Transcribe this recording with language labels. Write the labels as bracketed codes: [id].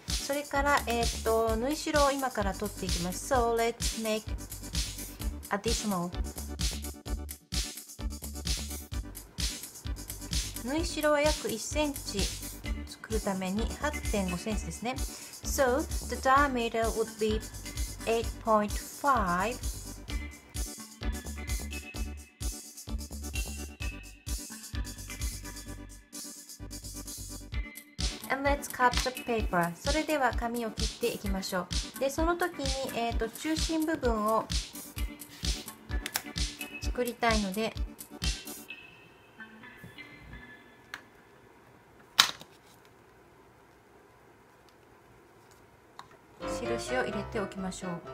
[ja] それから、縫い代を今から取っていきます。 [en] So let's make additional. [ja] 縫い代は約1センチ作るために 8.5 センチですね。 [en] So the diameter would be 8.5 And let's cut the paper. [ja] それでは紙を切っていきましょう。で、その時に、中心部分を作りたいので、印を入れておきましょう。